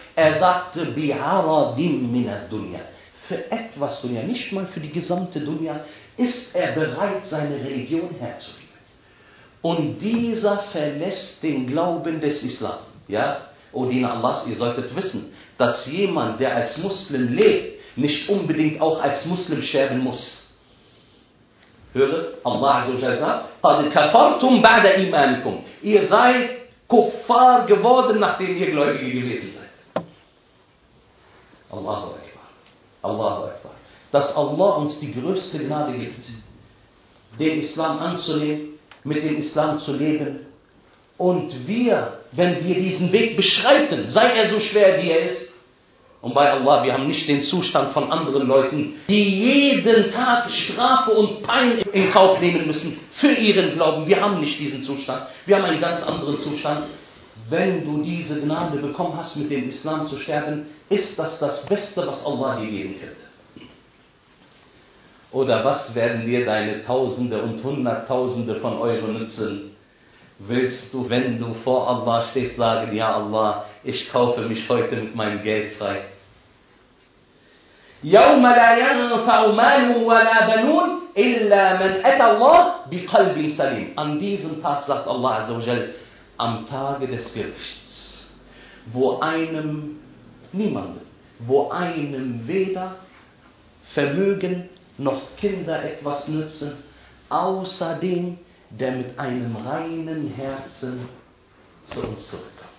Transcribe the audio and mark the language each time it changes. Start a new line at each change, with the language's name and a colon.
German: Er sagte,
Arabic: bi'aradin min ad-dunya.
German: Für etwas Dunya, nicht mal für die gesamte Dunya, ist er bereit, seine Religion herzugeben. Und dieser verlässt den Glauben des Islam. Ja? O Diener Allahs, ihr solltet wissen, dass jemand, der als Muslim lebt, nicht unbedingt auch als Muslim sterben muss. Höre, Allah sagt,
Arabic: قَدْ كَفَرْتُمْ بَعْدَ إِمَانِكُمْ.
German: Ihr seid Kuffar geworden, nachdem ihr Gläubige gewesen seid. Allahu Akbar. Allahu Akbar. Dass Allah uns die größte Gnade gibt, den Islam anzunehmen, mit dem Islam zu leben. Und wir, wenn wir diesen Weg beschreiten, sei er so schwer, wie er ist, und bei Allah, wir haben nicht den Zustand von anderen Leuten, die jeden Tag Strafe und Pein in Kauf nehmen müssen für ihren Glauben. Wir haben nicht diesen Zustand. Wir haben einen ganz anderen Zustand. Wenn du diese Gnade bekommen hast, mit dem Islam zu sterben, ist das das Beste, was Allah dir geben könnte. Oder was werden dir deine Tausende und Hunderttausende von Euro nützen? Willst du, wenn du vor Allah stehst, sagen, ja Allah, ich kaufe mich heute mit meinem Geld frei.
Arabic: يَوْمَ لَا يَنْفَعُ مَالٌ وَلَا بَنُونَ. إلا من أتى الله بقلب سليم.
German: An diesem Tag sagt Allah Azza wa Jalla, am Tage des Gerichts, wo einem weder Vermögen noch Kinder etwas nützen, außer dem, der mit einem reinen Herzen zu uns zurückkommt.